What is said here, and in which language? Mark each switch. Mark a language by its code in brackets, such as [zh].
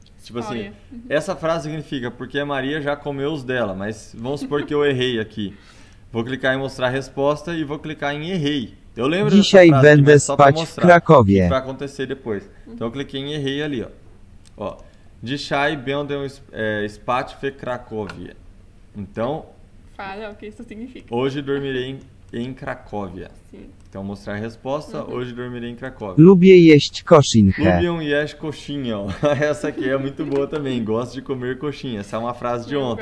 [pt] Tipo assim, essa frase significa porque a Maria já comeu os dela, mas vamos supor que eu errei aqui. Vou clicar em mostrar a resposta e vou clicar em errei. Eu lembro dessa frase, [pl] będę [pt] mas só para mostrar [pl] Krakowie. [pt] O que vai acontecer depois. Então eu cliquei em errei ali, ó. Ó. [pl] Dzisiaj będę spać w Krakowie. [pt] Então... Fala o que isso significa. Hoje dormirei em Cracóvia. Então, mostrar a resposta. Uhum. Hoje dormirei em Cracóvia. [pl] Lubię jeść koszynkę. Lubię jeść koszynkę. [pt] Essa aqui é muito boa também. Gosto de comer coxinha. Essa é uma frase de ontem.